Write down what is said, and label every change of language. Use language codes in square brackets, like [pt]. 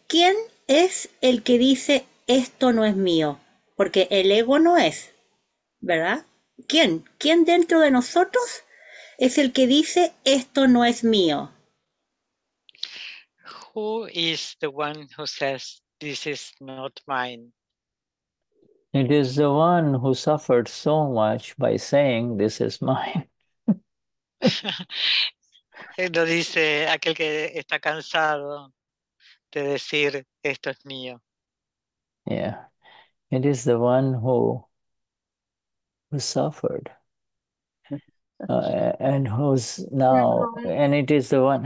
[es] ¿Quién es el que dice esto no es mío? Porque el ego no es, ¿verdad? ¿Quién? ¿Quién dentro de nosotros es el que dice esto no es mío? [en] Who is the one who says this is not mine? It is the one who suffered so much by saying this is mine. [es] Lo dice aquel que está cansado de decir esto es mío. [en] Yeah, it is the one who suffered and who's now, and it is the one.